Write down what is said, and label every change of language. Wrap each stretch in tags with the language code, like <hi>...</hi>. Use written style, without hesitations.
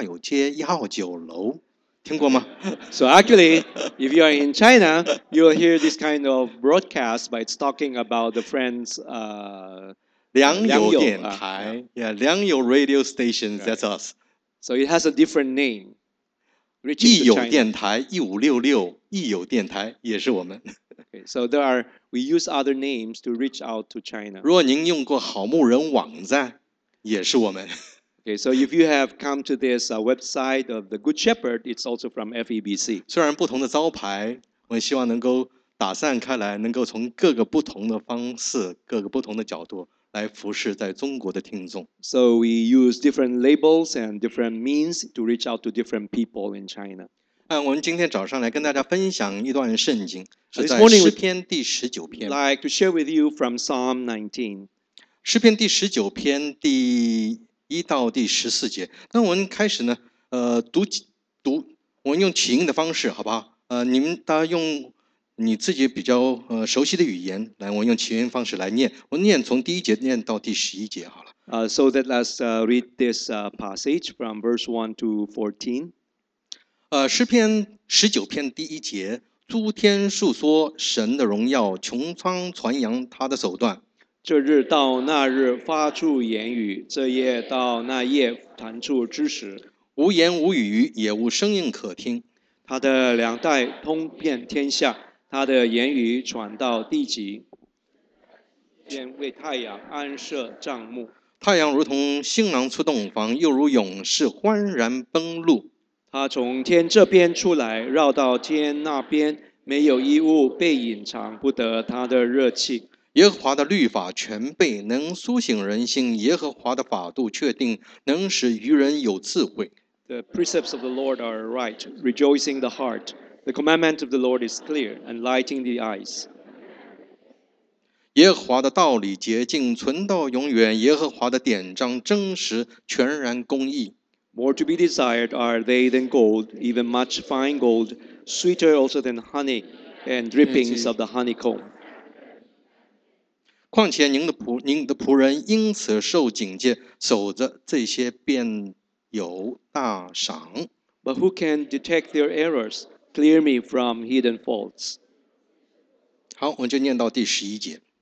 <zh>各位听众朋友您好，这里是良友电台，谢谢您的收听。来信请寄香港九龙邮政大有街一号九楼，听过吗？</zh> <en>So actually, if you are in China, you will hear this kind of broadcast, but it's talking about the friends, 良友电台, yeah, 良友 radio station, that's us. So it has a different name.</en> <zh>益友电台 1566, 益友电台 也是我们。</zh> <en>So there are, we use other names to reach out to China.</en> <zh>若您用过好牧人网站，也是我们。</zh> <en>Okay, so if you have come to this website of the Good Shepherd, it's also from FEBC.</en> <zh>虽然不同的招牌，我希望能够打散开来，能够从各个不同的方式、各个不同的角度来服侍在中国的听众。</zh> <en>So we use different labels and different means to reach out to different people in China.</en> <zh>我们今天早上来跟大家分享一段圣经，是在诗篇第十九篇。</zh> <en>Like to share with you from Psalm 19.</en> <zh>诗篇第十九篇第 1到14节。那我们开始呢，读，我们用起音的方式，好不好？你们大家用你自己比较熟悉的语言来，我用起音方式来念。我念从第一节念到第十一节好了。</zh> <en>So that let's read this passage from verse 1 to 14.</en> <zh>诗篇十九篇第一节，诸天述说神的荣耀，穹苍传扬他的手段。这日到那日发出言语，这夜到那夜弹出知识，无言无语，也无声音可听。他的两代通遍天下，他的言语传到地极，便为太阳安设帐幕。太阳如同新郎出洞房，又如勇士欢然奔路。他从天这边出来，绕到天那边，没有一物被隐藏不得他的热气。耶和华的律法全备，能苏醒人心；耶和华的法度确定，能使愚人有智慧。</zh> <en>The precepts of the Lord are right, rejoicing the heart. The commandment of the Lord is clear, enlightening the eyes.</en> <zh>耶和华的道理洁净，存到永远；耶和华的典章真实，全然公义。</zh> <en>More to be desired are they than gold, even much fine gold, sweeter also than honey, and drippings of the honeycomb.</en> <zh>况且您的仆人因此受警戒，守着这些便有大赏。</zh> <en>But who can detect their errors? Clear me from hidden faults.</en> <zh>好，我们就念到第十一节。</zh>